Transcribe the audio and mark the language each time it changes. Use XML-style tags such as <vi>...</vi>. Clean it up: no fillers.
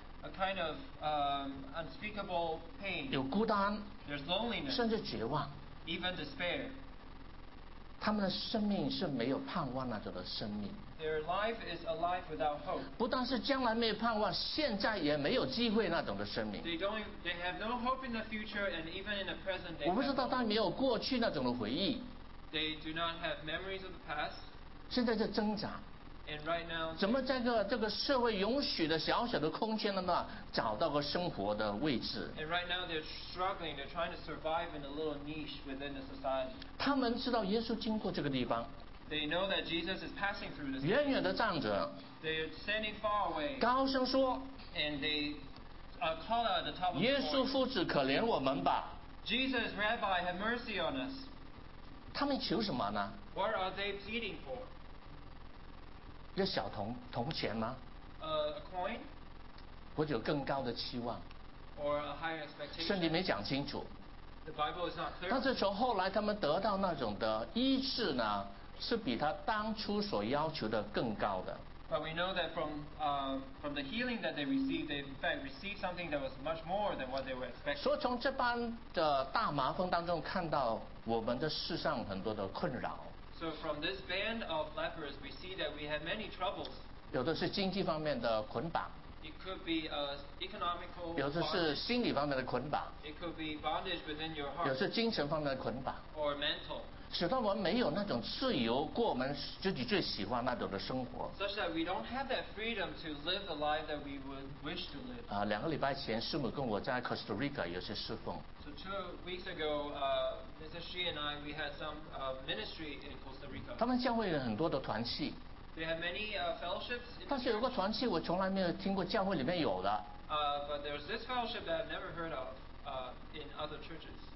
<en>A kind of unspeakable pain.</en> <zh>有孤单。</zh> <en>There's loneliness.</en> <zh>甚至绝望。</zh> <en>Even despair.</en> <zh>他们的生命是没有盼望那种的生命。</zh> <en>Their life is a life without hope.</en> <zh>不但是将来没有盼望，现在也没有机会那种的生命。</zh> <en>They have no hope in the future and even in the present.</en> <zh>我不知道他没有过去那种的回忆。</zh> <en>They do not have memories of the past.</en> <zh>现在在挣扎。</zh> <en>And right now.</en> <zh>怎么在这个社会允许的小小的空间的那找到个生活的位置</zh> <en>？And right now they're struggling. They're trying to survive in a little niche within the society.</en> <zh>他们知道耶稣经过这个地方。</zh> <en>They know that Jesus is passing through this.</en> <zh>远远的站着。</zh> <en>They're standing far away.</en> <zh>高声说。</zh> <en>And they call out at the top of the voice.</en> <zh>耶稣夫子，可怜我们吧。</zh> <en>Jesus, Rabbi, have mercy on us.</en> <zh>他们求什么呢</zh> <en>？What are they pleading for?</en> <zh>一个小铜钱吗？</zh> <en>A coin?</en> <zh>或者有更高的期望？</zh> <en>Or a higher expectation?</en> <zh>圣经没讲清楚。</zh> <en>The Bible is not clear.</en> <zh>但是从后来他们得到那种的医治呢，是比他当初所要求的更高的。</zh> <en>But we know that from the healing that they received, they in fact received something that was much more than what they were expecting.</en> <zh>所以从这般的大麻风当中看到我们的世上很多的困扰。</zh> <en>So from this band of lepers, we see that we have many troubles.</en> <zh>有的是经济方面的捆绑。</zh> <en>It could be economical.</en> <zh>有的是心理方面的捆绑。</zh> <en>It could be bondage within your heart.</en> <zh>有的是精神方面的捆绑。</zh> <en>Or mental.</en> <zh>使得我们没有那种自由，过我们自己最喜欢那种的生活。</zh> <en>Such that we don't have that freedom to live the life that we would wish to live.</en> <zh>两个礼拜前，师母跟我在 Costa Rica 有些侍奉。</zh> <en>So 2 weeks ago, Mrs. Xi and I, we had some ministry in Costa Rica.</en> <zh>他们教会有很多的团契。</zh> <en>They have many fellowships.</en> <zh>但是有个团契我从来没有听过教会里面有的。</zh> <en>But there's this fellowship that I've never heard of in other churches.</en>